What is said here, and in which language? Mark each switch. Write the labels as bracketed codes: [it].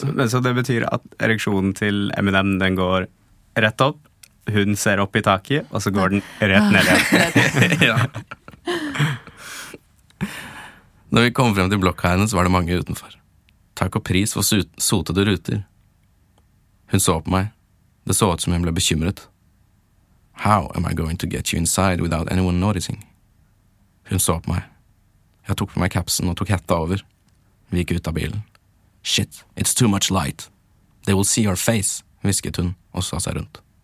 [no] Men så det betyr at ereksjonen til Eminem, den går rett opp, hun ser opp I taket, og så går den rett ned igjen. Ja. Når vi kom frem til blokka hennes, var det mange utenfor. Takk og pris for sotede ruter. Hun så på meg. Det så ut som hun ble bekymret. [en] How am I going to get you inside without anyone noticing? [no] Hun så på meg. Jeg tok på meg kapsen og tok hetta over. Vi gikk ut av bilen. [en] Shit, it's too much light. They will see your face, [no] visket hun og sa seg rundt.